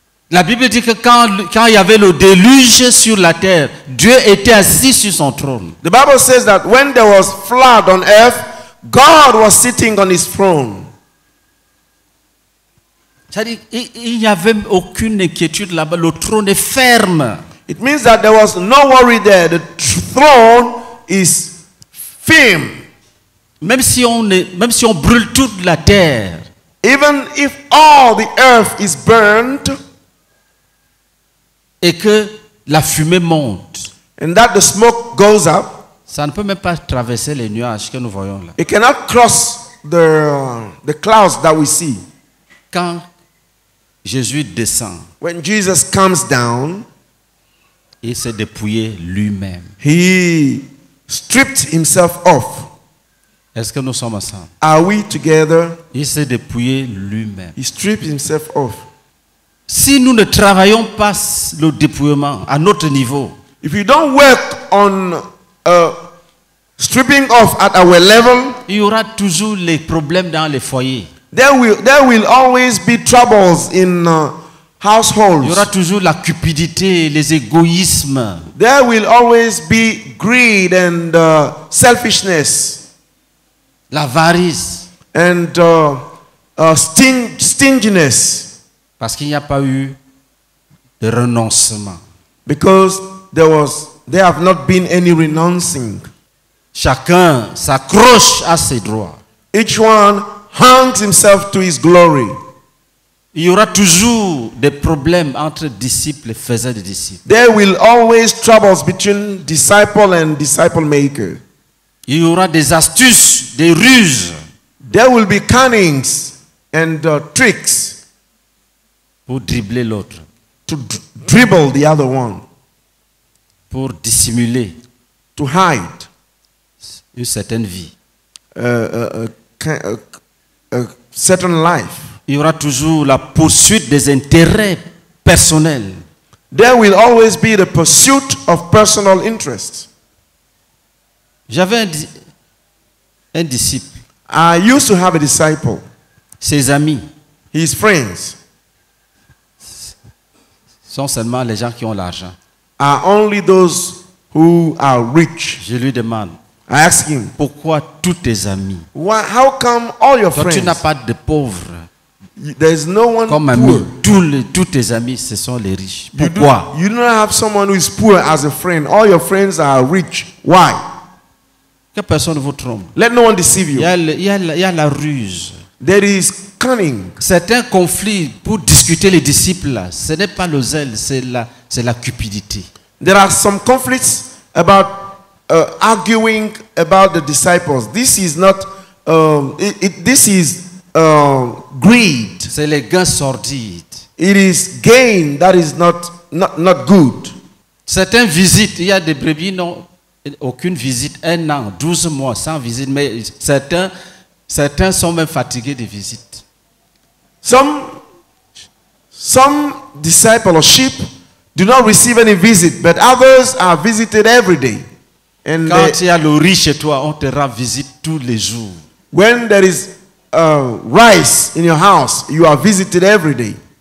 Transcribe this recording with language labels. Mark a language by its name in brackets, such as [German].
[French] La Bible dit que quand il y avait le déluge sur la terre, Dieu était assis sur son trône. [English] The Bible says that when there was flood on earth, God was sitting on his throne. [French] C'est-à-dire qu'il n'y avait aucune inquiétude là-bas. Le trône est ferme. [English] It means that there was no worry there. The throne is firm. [French] Même si on brûle toute la terre. [English] Even if all the earth is burned, [French] et que la fumée monte, [English] and that the smoke goes up, [French] ça ne peut même pas traverser les nuages que nous voyons là. [English] It cannot cross the clouds that we see. [French] Quand Jésus descend, [English] when Jesus comes down, [French] il s'est dépouillé lui-même. [English] He stripped himself off. [French] Est-ce que nous sommes ensemble? [English] Are we together? [French] Il s'est dépouillé lui-même. [English] He stripped himself off. [French] Si nous ne travaillons pas le dépouillement à notre niveau, [English] if you don't work on stripping off at our level, [French] il y aura toujours les problèmes dans les foyers. [English] There will always be troubles in households. [French] Il y aura toujours la cupidité, les égoïsmes. [English] There will always be greed and selfishness. [French] L'avarice. [English] And stinginess. [French] Parce qu'il n'y a pas eu de renoncement. [English] Because there have not been any renouncing. [French] Chacun s'accroche à ses droits. [English] Each one hangs himself to his glory. [French] Il y aura toujours des problèmes entre disciples et faiseurs de disciples. [English] There will always troubles between disciple and disciple maker. [French] Il y aura des astuces, des ruses. [English] There will be cunnings and tricks. [French] Pour dribbler l'autre. [English] To dribble the other one. [French] Pour dissimuler. [English] To hide. [French] Une certaine vie. [English] A certain life. [French] Il y aura toujours la poursuite des intérêts personnels. [English] There will always be the pursuit of personal interests. [French] J'avais un disciple. [English] I used to have a disciple. [French] Ses amis. [English] His friends. [French] Sont seulement les gens qui ont l'argent. [English] Are only those who are rich. [French] Je lui demande. [English] I ask him. [French] Pourquoi tous tes amis? [English] Why, how come all your [French] toi, [English] friends? [French] Tu n'as pas de pauvres. [English] There's no one [French] comme [English] poor. [French] Tous tes amis, ce sont les riches. Pourquoi? [English] You do not have someone who is poor as a friend. All your friends are rich. Why? [French] Que personne ne vous trompe. [English] Let no one deceive you. [French] Il y a la ruse. [English] There is cunning. [French] Certains conflits pour discuter les disciples, ce n'est pas le zèle, c'est la cupidité. [English] There are some conflicts about arguing about the disciples. This is not greed. [French] C'est les gains sordides. [English] It is gain that is not good. [French] Certaines visites, il y a des brebis non aucune visite, un an, 12 mois sans visite, mais certains sont même fatigués des visites. [English] Some disciples or sheep do not receive any visit, but others are visited every day. [French] And quand il y a le riz chez toi, on te rend visite tous les jours. [English] When there is rice in your house, you are visited every day.